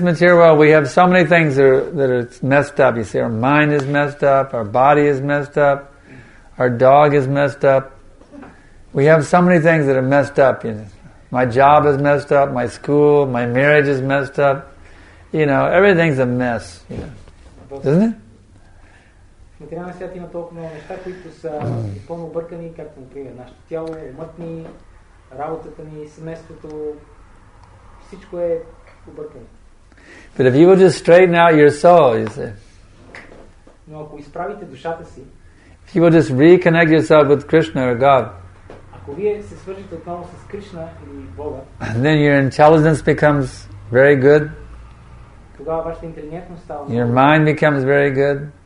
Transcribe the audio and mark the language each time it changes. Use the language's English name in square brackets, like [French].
[English] material world, we have so many things that are messed up. You see, our mind is messed up, our body is messed up, our dog is messed up. We have so many things that are messed up. You know, my job is messed up, my school, my marriage is messed up. You know, everything's a mess. You know. Isn't it? [Bulgarian] Материалният свят има толкова много неща, които са пълно объркани, както например нашето тяло, умът ни, работата ни, семейството. Всичко е объркано. [English] But if you will just straighten out your soul, you see. [Bulgarian] Но ако изправите душата си, [English] if you will just reconnect yourself with Krishna or God, [Bulgarian] ако вие се свържете отново с Кришна или Бога, [English] then your intelligence becomes very good. [Bulgarian] Тогава вашата интелигентност става. [English] Your mind becomes very good.